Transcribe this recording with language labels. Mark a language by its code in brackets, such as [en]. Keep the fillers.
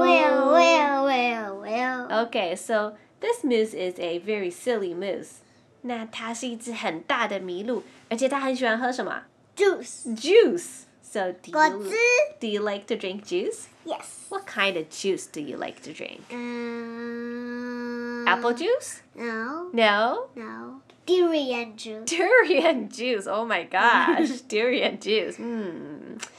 [en] Way oh, way oh, way oh, Okay, so this moose is a very silly moose. [zh] 那它是一只很大的麋鹿，而且它很喜欢喝什么？Juice. [en] Juice. juice. So do you, 果汁? do you like to drink juice? Yes. What kind of juice do you like to drink? Um, Apple juice? No. No? No. Durian juice. Durian juice. Oh my gosh. Durian juice. Hmm.